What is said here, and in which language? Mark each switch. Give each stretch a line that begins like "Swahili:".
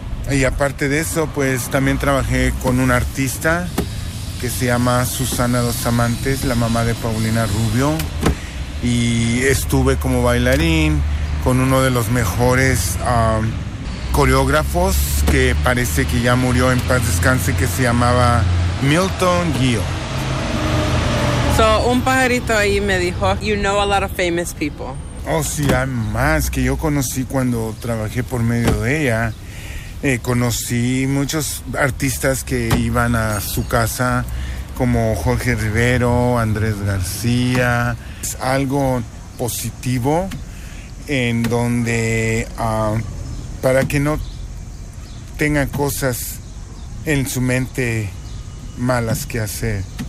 Spanish: Y aparte de eso, pues también trabajé con una artista que se llama Susana Dos Amantes, la mamá de Paulina Rubio. Y estuve como bailarín con uno de los mejores coreógrafos, que parece que ya murió en paz descanse, que se llamaba Milton Gio.
English: So,
Spanish: un pajarito ahí me dijo,
English: you know a lot of famous people.
Spanish: Oh, sí, hay más que yo conocí cuando trabajé por medio de ella. Conocí muchos artistas que iban a su casa, como Jorge Rivero, Andrés García. Es algo positivo en donde para que no tengan cosas en su mente malas que hacer.